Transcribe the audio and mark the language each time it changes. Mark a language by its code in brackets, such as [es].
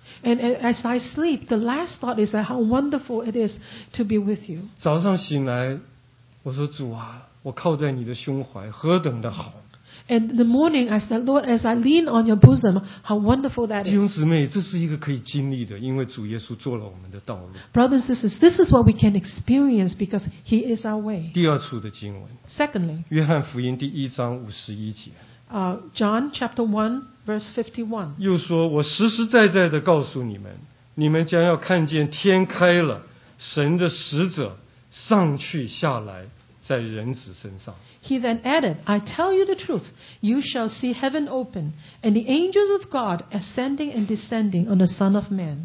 [en] And as I sleep, the last thought is that how wonderful it is to be with you. [zh] 早上醒来，我说主啊，我靠在你的胸怀，何等的好。 [en] And the morning, I said, Lord, as I lean on your bosom, how wonderful that is. [zh] 弟兄姊妹，这是一个可以经历的，因为主耶稣做了我们的道路。 [en] Brothers and sisters, this is what we can experience because He is our way. [zh] 第二处的经文。 [en] Secondly, [zh] 约翰福音第一章五十一节。 [en] John chapter 1, verse 51. [zh] 又说，我实实在在的告诉你们，你们将要看见天开了，神的使者上去下来。在人子身上。 [en] He then added, I tell you the truth, you shall see heaven open, and the angels of God ascending and descending on the Son of Man.